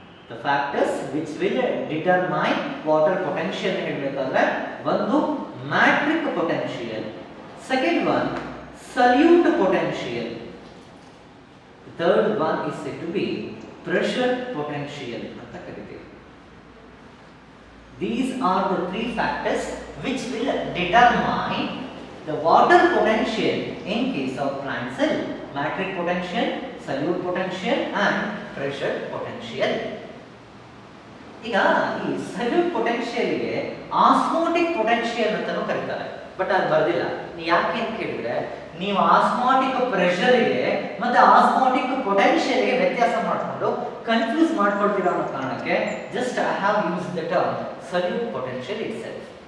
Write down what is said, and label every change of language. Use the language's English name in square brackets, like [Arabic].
[English] the factors which will determine water potential ಹೇಳ್ಬೇಕಂದ್ರೆ, ಒಂದು matric potential, second one solute potential, third one is it to be pressure potential [Kannada] ಅಂತ ಕರಿತೀವಿ. [English] These are the three factors which will determine the water potential in case of plant cell: matric potential, solute potential and pressure potential. [Kannada] ಈಗ ಈ salute ಪೊಟೆನ್ಶಿಯಲ್ಗೆ osmotic potential ಅಂತಲೂ ಕರೀತಾರೆ, but ಅದು ಬರೋದಿಲ್ಲ. ನೀವು ಯಾಕೆ ಅಂತ ಕೇಳಿದ್ರೆ, ನೀವು ಆಸ್ಮೋಟಿಕ್ ಪ್ರೆಷರ್ಗೆ ಮತ್ತು ಆಸ್ಮೋಟಿಕ್ ಪೊಟೆನ್ಷಿಯಲ್ಗೆ ವ್ಯತ್ಯಾಸ ಮಾಡಿಕೊಂಡು ಕನ್ಫ್ಯೂಸ್ ಮಾಡ್ಕೊಳ್ತೀರ ಅನ್ನೋ ಕಾರಣಕ್ಕೆ [English] Just I have use the term solute potential itself.